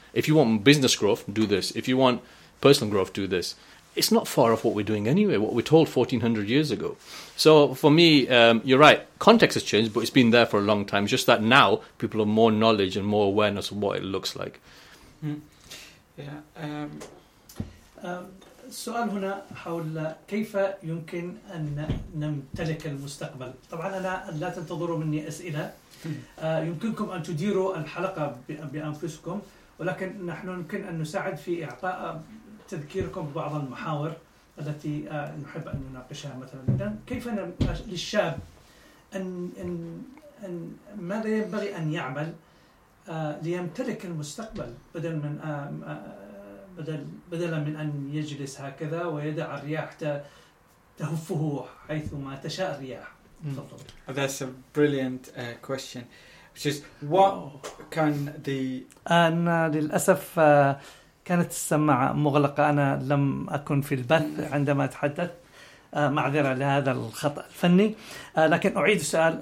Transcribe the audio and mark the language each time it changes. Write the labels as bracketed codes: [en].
[en] If you want business growth, do this. If you want personal growth, do this. It's not far off what we're doing anyway, what we're told 1,400 years ago. So for me, you're right. Context has changed, but it's been there for a long time. It's just that now people have more knowledge and more awareness of what it looks like. Mm. Yeah. [ar] السؤال هنا حول كيف يمكن أن نمتلك المستقبل. طبعا لا تنتظروا مني أسئلة, يمكنكم أن تديروا الحلقة بأنفسكم, ولكن نحن يمكن أن نساعد في إعطاء تذكيركم بعض المحاور التي نحب أن نناقشها. مثلا كيف للشاب أن ماذا ينبغي أن يعمل ليمتلك المستقبل بدلا من بدلا من أن يجلس هكذا ويدع الرياح تهفه حيثما تشاء الرياح. [en] That's a brilliant question, which is what can the [ar] أنا للأسف كانت السماعة مغلقة, أنا لم أكن في البث عندما تحدث, معذرة لهذا الخطأ الفني, لكن أعيد سؤال.